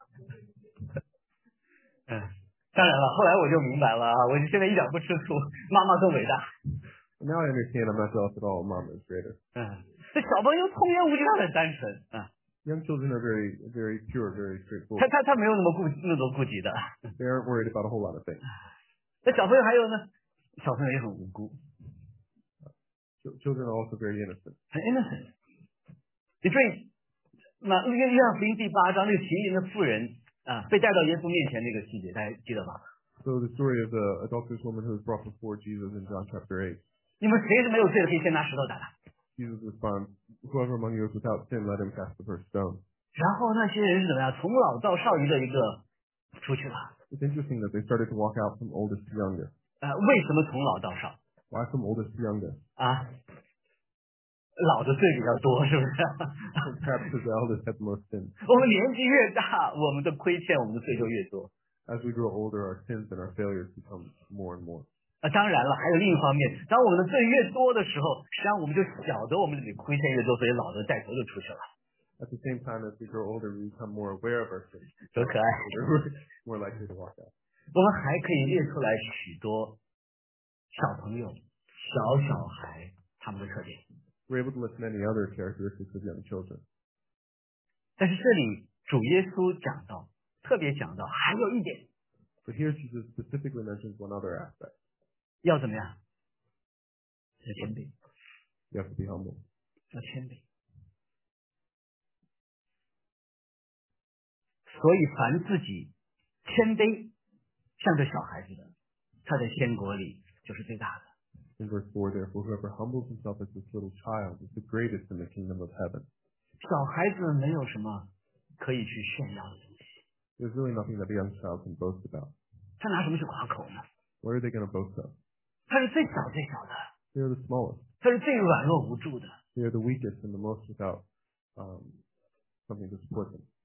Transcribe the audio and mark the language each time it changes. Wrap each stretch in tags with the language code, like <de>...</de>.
<zh>当然了，后来我就明白了啊，我现在一点不吃醋，妈妈更伟大。</zh> <en>Now I understand I'm not jealous at all. Mom is greater.</en> <zh>这小朋友童言无忌，他很单纯啊。</zh> <en>Young children are very, very pure, very straightforward.</en> <zh>他没有那么顾忌的。</zh> <en>They aren't worried about a whole lot of things.</en> <zh>那小朋友还有呢？小朋友也很无辜。</zh> <en>Children are also very innocent.</en> <zh>很 innocent. 你注意，那约翰福音第八章那个行淫的妇人啊，被带到耶稣面前那个细节，大家记得吧</zh> <en>？So the story of the adulterous woman who was brought before Jesus in John chapter 8.</en> <zh>你们谁是没有罪的，可以先拿石头打他。</zh> <en>Jesus responds, "Whoever among you is without sin, let him cast the first stone."</en> <zh>然后那些人是怎么样？从老到少一个一个出去了。</zh> <en>It's interesting that they started to walk out from oldest to youngest.</en> <zh>为什么从老到少</zh> <en>？Why from oldest to youngest?</en> <zh>啊，老的罪比较多，是不是</zh> <en>？Perhaps because the eldest had the most sin.</en> <zh>我们年纪越大，我们的亏欠，我们的罪就越多。</zh> <en>As we grow older, our sins and our failures become more and more.</en> <zh>当然了，还有另一方面，当我们的罪越多的时候，实际上我们就晓得我们自己亏欠越多，所以老的带头就出去了。</zh> <en>At the same time, as we grow older, we become more aware of our sins.</en> <zh>多可爱。</zh> <en>More likely to walk out.</en> <zh>我们还可以列出来许多小朋友、小小孩他们的特点。</zh> <en>We're able to list many other characteristics of young children.</en> <zh>但是这里主耶稣讲到，特别讲到还有一点。</zh> <en>But here Jesus specifically mentions one other aspect.</en> <zh>要怎么样？要谦卑。</zh> <en>You have to be humble.</en> <zh>要谦卑。所以凡自己谦卑像个小孩子的，他在天国里就是最大的。</zh> <en>In verse 4, therefore, whoever humbles himself as this little child is the greatest in the kingdom of heaven.</en> <zh>小孩子没有什么可以去炫耀的东西。</zh> <en>There's really nothing that a young child can boast about.</en> <zh>他拿什么去夸口呢？</zh> <en>What are they going to boast of?</en> <zh>他是最小最小的。</zh> <en>They're the smallest.</en> <zh>他是最软弱无助的。</zh> <en>They're the weakest and the most without something to support them.</en>